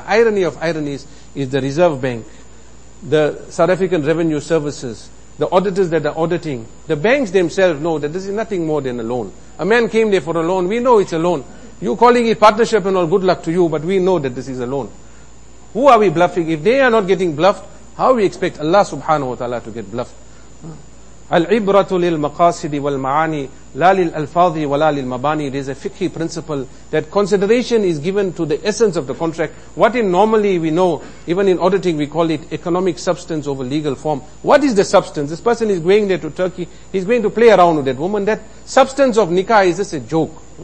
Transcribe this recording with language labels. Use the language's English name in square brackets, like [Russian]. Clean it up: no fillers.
[English] The irony of ironies is the Reserve Bank, the South African Revenue Services, the auditors that are auditing. The banks themselves know that this is nothing more than a loan. A man came there for a loan. We know it's a loan. You calling it partnership and all, good luck to you, but we know that this is a loan. Who are we bluffing? If they are not getting bluffed, how we expect Allah subhanahu wa ta'ala to get bluffed? [Arabic] العبرة للمقاصد والمعاني لا للألفاظ ولا للمباني. [English] It is a fiqh principle that consideration is given to the essence of the contract. What in normally we know, even in auditing we call it economic substance over legal form. What is the substance? This person is going there to Turkey, he's going to play around with that woman. That substance of nikah is just a joke.